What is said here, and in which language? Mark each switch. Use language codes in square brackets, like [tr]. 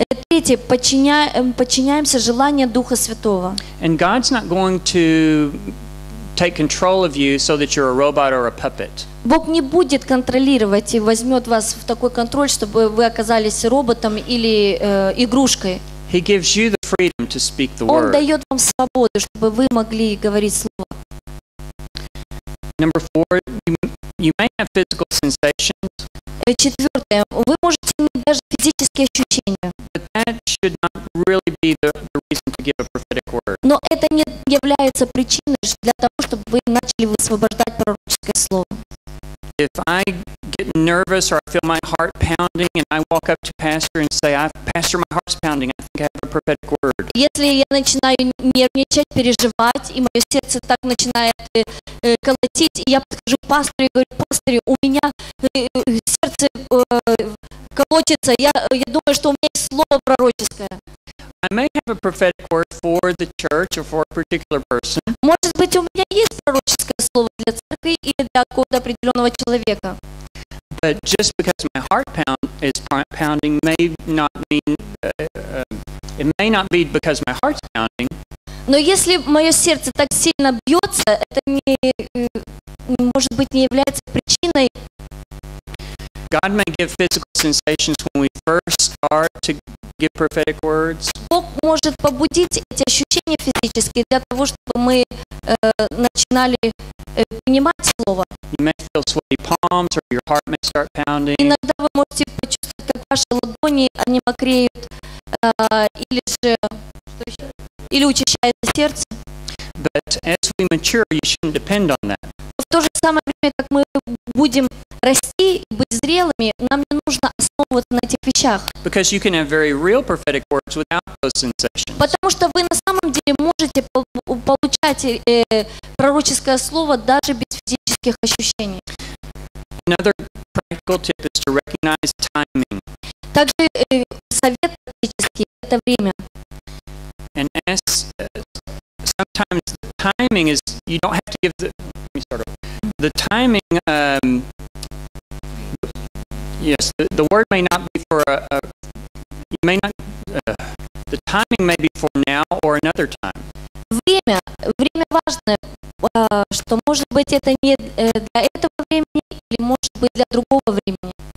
[ru] Третье, подчиняемся желанию Духа Святого. [en] And God's not going to take control of you so that you're a robot or a puppet. [ru] Бог не будет контролировать и возьмет вас в такой контроль, чтобы вы оказались роботом или игрушкой. [en] He gives you the freedom to speak the [ru] word. Он дает вам свободу, чтобы вы могли говорить слово. [en] Number four, you may have physical sensations. [ru] Четвертое, вы можете иметь даже физические ощущения. [en] But that should not really be the reason to give a prophetic word. [ru] Но это не является причиной для того, чтобы вы начали высвобождать пророческое слово. [en] If I get nervous or I feel my heart pounding and I walk up to pastor and say, Pastor, my heart's pounding, I think I have a prophetic word. [ru] Если я начинаю нервничать, переживать, и мое сердце так начинает колотить, и я подхожу к пастору и говорю, пастор, у меня сердце колотится, я думаю, что у меня есть слово пророческое. [en] I may have a prophetic word for the church or for a particular person. [ru] Может быть, у меня есть пророческое слово для церкви или для какого-то определенного человека. [en] But just because my heart is pounding may not mean it may not be because my heart's pounding. [ru] Но если мое сердце так сильно бьется, это не может быть не является причиной. [en] God may give physical sensations when we first start to give prophetic words. [ru] Бог может побудить эти ощущения физические для того, чтобы мы начинали принимать слово. [en] You may feel sweaty palms or your heart may start pounding. [ru] Иногда вы можете почувствовать, как ваши ладони они мокреют, или же что еще? Или учащается сердце. [en] But as we mature, you shouldn't depend on that. [ru] В то же самое время, как мы будем расти и быть зрелыми, нам не нужно основываться на этих вещах. [en] Because you can have very real prophetic words without those sensations. [ru] Потому что вы на самом деле можете получать пророческое слово даже без физических ощущений. [en] Another practical tip is to recognize timing. [ru] Также совет практический – это время. [en] And as sometimes the timing is, you don't have to give the. Let me start off. The timing. Yes, the word may not be for a. May not. The timing may be for now or another time. [ru] Время. Время важное. Что может быть это не для этого времени или может быть для другого времени.